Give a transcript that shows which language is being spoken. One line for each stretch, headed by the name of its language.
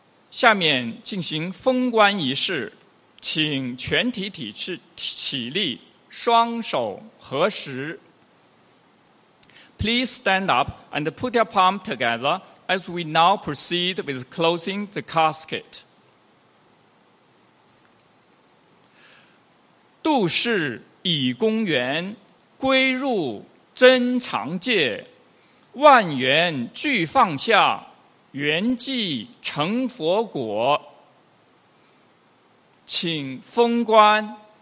Chinese: 下面进行封棺仪式，请全体体制起立，双手合十。
English: Please stand up and put your palm together as we now proceed with closing the casket.
Chinese: 杜氏以公园归入真常界，万缘俱放下，圆寂成佛果，请封棺。